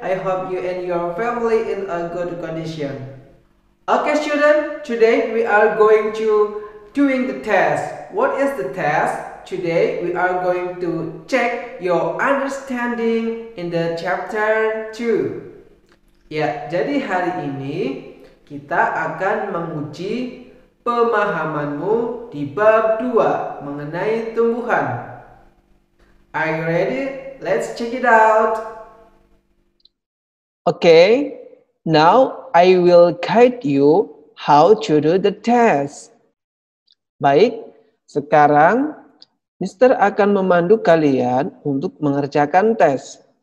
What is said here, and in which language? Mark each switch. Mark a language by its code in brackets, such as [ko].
[en] I hope you and your family in a good condition. Okay student, today we are going to doing the test. What is the test? Today we are going to check your understanding in the chapter 2. [id] Ya, jadi hari ini kita akan menguji pemahamanmu di bab 2 mengenai tumbuhan. [en] Are you ready? Let's check it out. Okay, now I will guide you how to do the test. [id] Baik, sekarang Mister akan memandu kalian untuk mengerjakan tes.